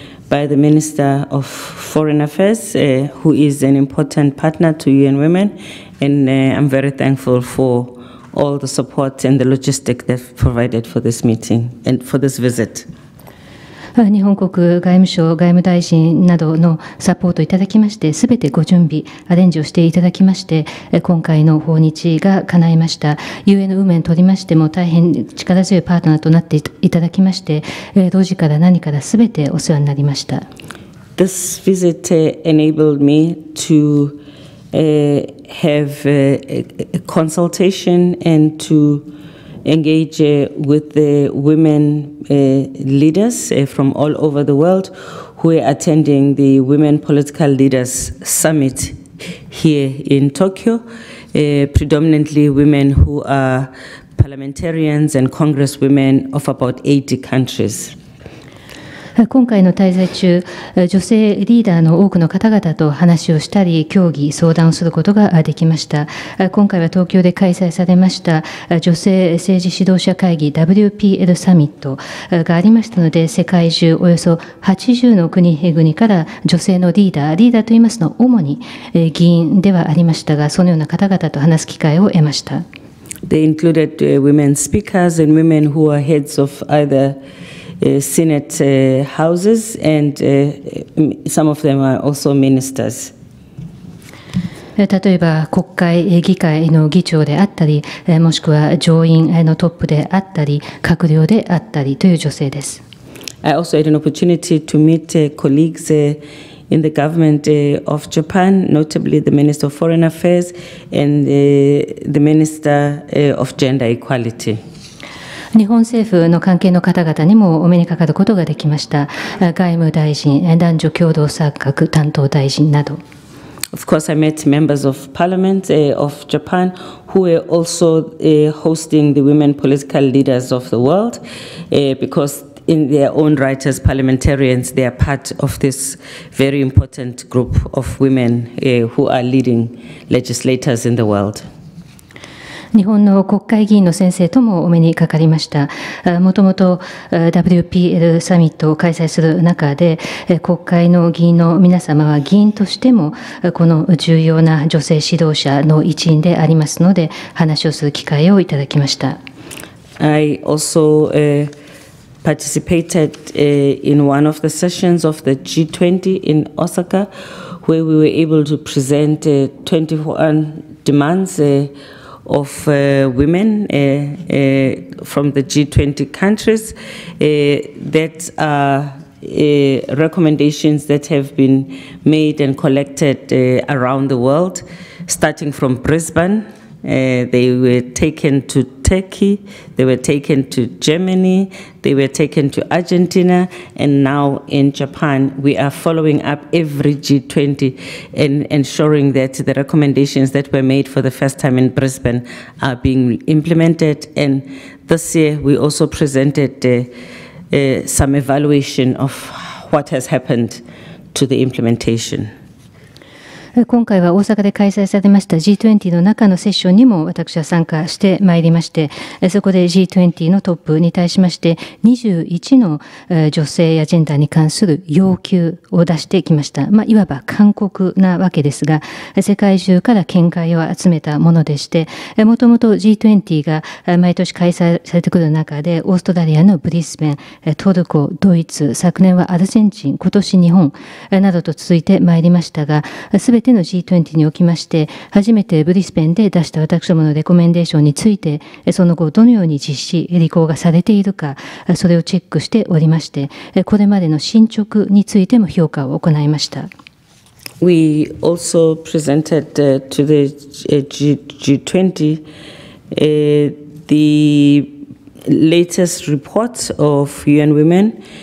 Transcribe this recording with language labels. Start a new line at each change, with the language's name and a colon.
English: By the Minister of Foreign Affairs, who is an important partner to UN Women, and I'm very thankful for all the support and the logistics they've provided for this meeting and for this visit.
Japanese: 日本国外務省外務大臣などのサポートをいただきまして、すべてご準備アレンジをしていただきまして、今回の訪日が叶いました。 UN ウーメンにとりましても大変力強いパートナーとなっていただきまして、同時から何からすべてお世話になりました。
English: This visit enabled me to have a consultation and to engage with the women leaders from all over the world who are attending the Women Political Leaders Summit here in Tokyo, predominantly women who are parliamentarians and congresswomen of about 80 countries.
Japanese: 今回の滞在中、女性リーダーの多くの方々と話をしたり、協議、相談をすることができました。今回は東京で開催されました女性政治指導者会議 WPL サミットがありましたので、世界中およそ80の国々から女性のリーダーといいますの、主に議員ではありましたが、そのような方々と話す機会を得ました。
English: They included women speakers and women who are heads of either... Senate houses and some of them are also ministers.
Japanese: 例えば国会議会の議長であったり、もしくは上院のトップであったり、閣僚であったりという女性です。
English: I also had an opportunity to meet colleagues in the government of Japan, notably the Minister of Foreign Affairs and the Minister of Gender Equality.
Japanese: 日本政府の関係の方々にもお目にかかることができました。外務大臣、男女共同参画担当大臣など。
English: Of course, I met members of parliament of Japan who were also hosting the women political leaders of the world because in their own right as parliamentarians, they are part of this very important group of women who are leading legislators in the world.
Japanese: 日本の国会議員の先生ともお目にかかりました。もともと WPL サミットを開催する中で、国会の議員の皆様は議員としてもこの重要な女性指導者の一員でありますので、話をする機会をいただきました。
English: I also participated in one of the sessions of the G20 in Osaka, where we were able to present 21 demands. Of women from the G20 countries that are recommendations that have been made and collected around the world, starting from Brisbane. They were taken to Turkey, they were taken to Germany, they were taken to Argentina, and now in Japan. We are following up every G20 and ensuring that the recommendations that were made for the first time in Brisbane are being implemented. And this year, we also presented some evaluation of what has happened to the implementation.
Japanese: 今回は大阪で開催されました G20 の中のセッションにも私は参加してまいりまして、そこで G20 のトップに対しまして、21の女性やジェンダーに関する要求を出してきました。まあ、いわば勧告なわけですが、世界中から見解を集めたものでして、もともと G20 が毎年開催されてくる中で、オーストラリアのブリスベン、トルコ、ドイツ、昨年はアルゼンチン、今年日本などと続いてまいりましたが、すべての G20 におきまして、初めてブリスベンで出した私どものレコメンデーションについて、その後どのように実施、履行がされているか、それをチェックしておりまして、これまでの進捗についても評価を行いました。
English: We also presented to the G20 the latest report of UN Women.